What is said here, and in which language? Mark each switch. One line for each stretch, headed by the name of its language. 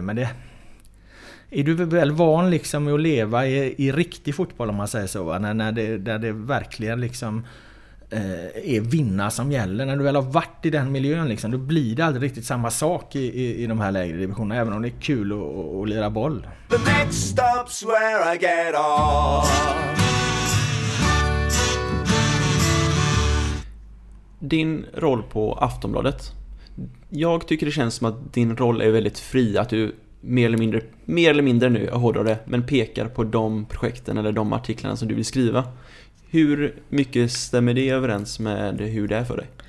Swedish: Men det är du väl van liksom att leva i riktig fotboll, om man säger så, va? När det verkligen liksom är vinna som gäller. När du väl har varit i den miljön liksom, då blir det aldrig riktigt samma sak i de här lägre divisionerna, även om det är kul att lira boll.
English: The next stop's where I get off.
Swedish: Din roll på Aftonbladet, jag tycker det känns som att din roll är väldigt fri, att du mer eller mindre nu, jag hårdrar det, men pekar på de projekten eller de artiklarna som du vill skriva. Hur mycket stämmer det överens med hur det är för dig?